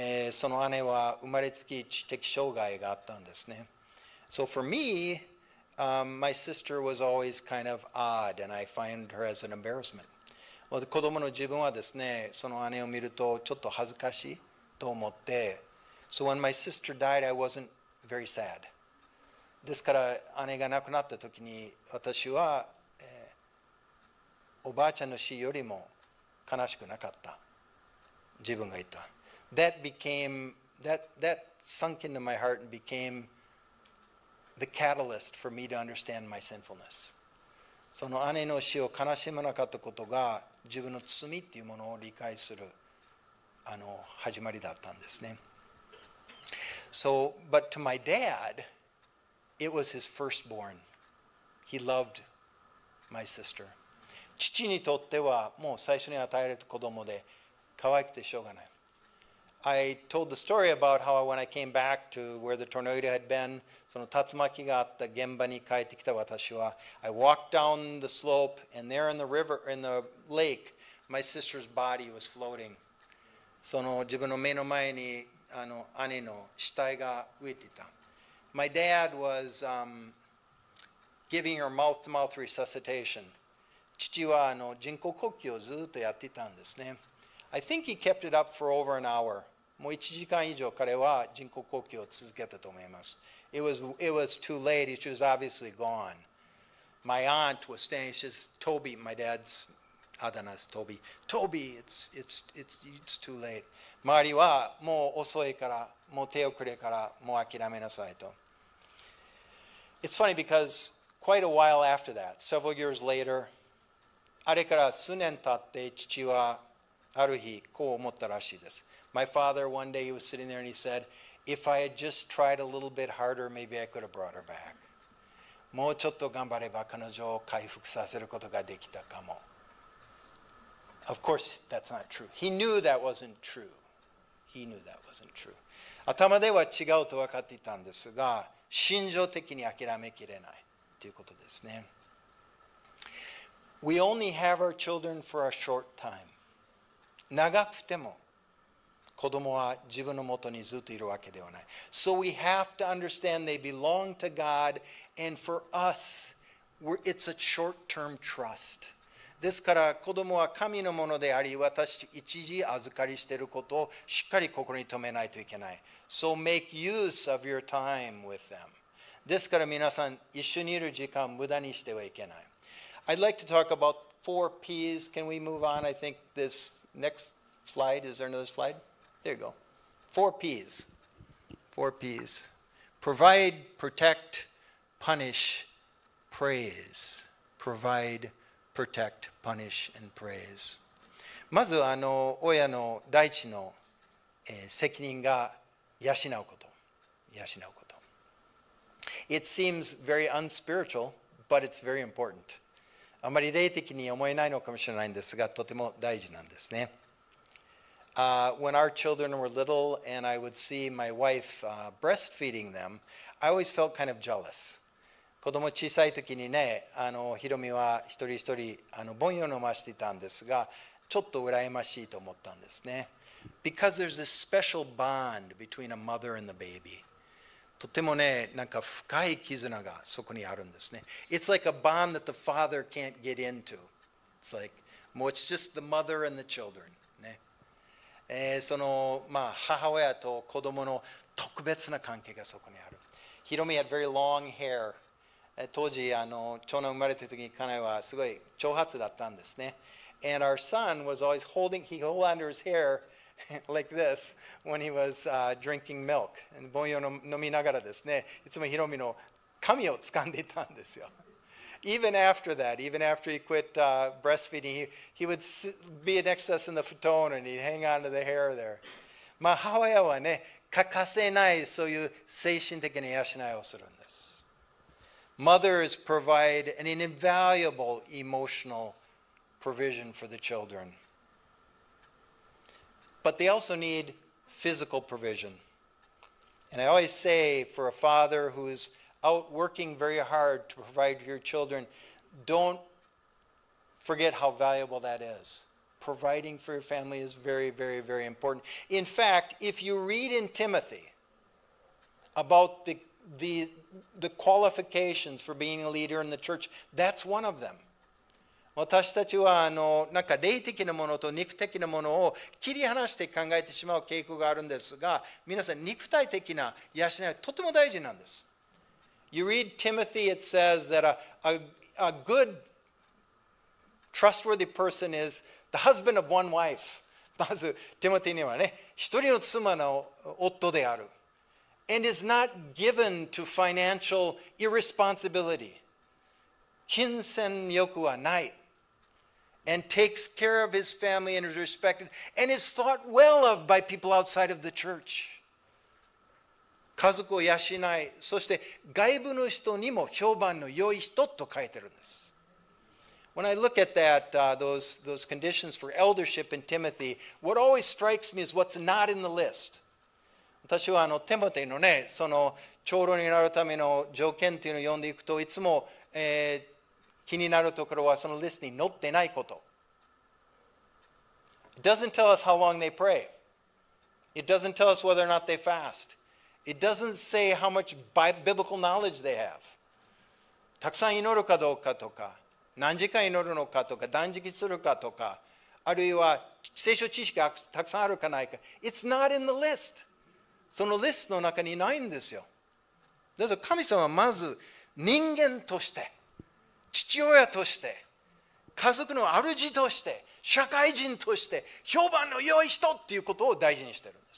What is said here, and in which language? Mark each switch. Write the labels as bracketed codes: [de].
[ja] その姉は生まれつき知的障害があったんですね。 [en] So for me,my sister was always kind of odd, and I find her as an embarrassment. [ja] 子供の自分はですね、その姉を見るとちょっと恥ずかしいと思って。 [en] So when my sister died, I wasn't very sad. [ja] ですから姉が亡くなった時に、私は、おばあちゃんの死よりも悲しくなかった。自分がいた。 [en] That sunk into my heart and became. The catalyst for me to understand my sinfulness. [ja] その姉の死を悲しまなかったことが自分の罪っていうものを理解するあの始まりだったんですね。 [en] So, but to my dad, it was his firstborn. He loved my sister. [ja] 父にとってはもう最初に与えられた子供で可愛くてしょうがない。 [en] I told the story about how when I came back to where the tornado had been, [ja] その竜巻があった現場に帰ってきた私は、 [en] I walked down the slope and there in the river, in the lake, my sister's body was floating. [ja] その自分の目の前にあの姉の死体が浮いていた。 [en] My dad was giving her mouth-to-mouth resuscitation. [ja] 父はあの人工呼吸をずっとやっていたんですね。 [en] I think he kept it up for over an hour. [ja] もう1時間以上彼は人工呼吸を続けたと思います。 [en] It was too late. She was obviously gone. My aunt was standing. She says, Toby, my dad's [ja] あだ名です [en] Toby. Toby, it's too late. [ja] 周りはもう遅いから、もう手遅れから、もう諦めなさいと。 [en] It's funny because quite a while after that, several years later, [ja] あれから数年経って父はある日こう思ったらしいです。 [en] My father one day he was sitting there and he said, if I had just tried a little bit harder, maybe I could have brought her back. [ja] もうちょっと頑張れば彼女を回復させることができたかも。 [en] Of course, that's not true. He knew that wasn't true. He knew that wasn't true. [ja] 頭では違うと分かっていたんですが、心情的に諦めきれないということですね。 [en] We only have our children for a short time. [ja] 長くても子供は自分のもとにずっといるわけではない。 [en] So we have to understand they belong to God and for us, it's a short-term trust. [ja] ですから子供は神のものであり、私一時預かりしていることをしっかり心に留めないといけない。 [en] So make use of your time with them. [ja] ですから皆さん一緒にいる時間無駄にしてはいけない。 [en] I'd like to talk about four P's. Can we move on? I think this... Next slide, is there another slide? There you go. Four P's. Provide, protect, punish, praise. Provide, protect, punish, and praise. [ja] まず親の第一の責任が養うこと。養うこと。 [en] It seems very unspiritual, but it's very important. [ja] あまり霊的に思えないのかもしれないんですが、とても大事なんですね。 [en] When our children were little and I would see my wife breastfeeding them, I always felt kind of jealous. [ja] 子供小さい時にね、ひろみは一人一人母乳を飲ましていたんですが、ちょっと羨ましいと思ったんですね。 [en] Because there's this special bond between a mother and the baby. [ja] とてもね、なんか深い絆がそこにあるんですね。 [en] It's like a bond that the father can't get into. It's like, well, it's just the mother and the children. [ja] 母親と子供の特別な関係がそこにある。 [en] Hiromi had very long hair. [ja] 当時長男生まれた時に家内はすごい長髪だったんですね。 [en] And our son was always holding, he held under his hair like this when he was drinking milk. [ja] 母乳を飲みながらですね、いつも Hiromi の髪を掴んでいたんですよ。 [en] Even after that, even after he quit breastfeeding, he would be next to us in the futon and he'd hang on to the hair there. [ja] 母親はね、欠かせないそういう精神的な養いをするんです。 [en] Mothers provide an invaluable emotional provision for the children. But they also need physical provision. And I always say for a father who'sout working very hard to provide your children, don't forget how valuable that is. Providing for your family is very, very, very important. In fact, if you read in Timothy about the qualifications for being a leader in the church, that's one of them. [ja] 私たちはなんか霊的なものと肉的なものを切り離して考えてしまう傾向があるんですが、皆さん肉体的な養いはとても大事なんです。 [en] You read Timothy, it says that a good, trustworthy person is the husband of one wife. [ja] まず、ティモティにはね、一人の妻の夫である。 [en] And is not given to financial irresponsibility. [ja] 金銭欲はない。 [en] And takes care of his family and is respected. And is thought well of by people outside of the church. [ja] 家族を養い、そして外部の人にも評判の良い人と書いてるんです。 [en] When I look at that, those conditions for eldership in Timothy, what always strikes me is what's not in the list. [ja] 私はテモテのね、その長老になるための条件というのを読んでいくと、いつも、気になるところはそのリストに載ってないこと。 [en] It doesn't tell us how long they pray. It doesn't tell us whether or not they fast. It doesn't say how much biblical knowledge they have. [ja] たくさん祈るかどうかとか、何時間祈るのかとか、断食するかとか、あるいは聖書知識がたくさんあるかないか。 [en] It's not in the list. [ja] そのリストの中にないんですよ。だから神様はまず人間として、父親として、家族の主として、社会人として、評判の良い人っていうことを大事にしてる。